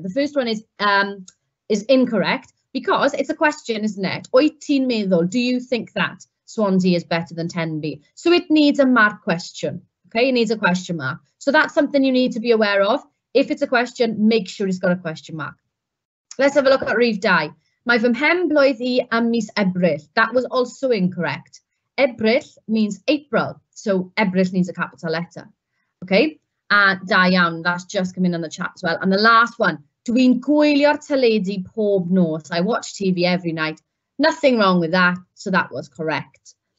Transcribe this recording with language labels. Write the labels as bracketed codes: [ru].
[en] The first one is incorrect because it's a question, isn't it? [cy] Wyt ti'n meddwl, [en] do you think that Swansea is better than Tenby? So it needs a mark question. Okay, it needs a question mark. So that's something you need to be aware of. If it's a question, make sure it's got a question mark. Let's have a look at Rhif 2. [cy] Mae fy mhen blwydd I ym mis Ebrill. [en] That was also incorrect. Ebrill means April. So Ebrill means a capital letter. Okay, and [cy] da iawn, [en] that's just coming in the chat as well. And the last one, [cy] dwi'n gwylio'r teledu pob nos. [en] I watch TV every night. Nothing wrong with that. So that was correct.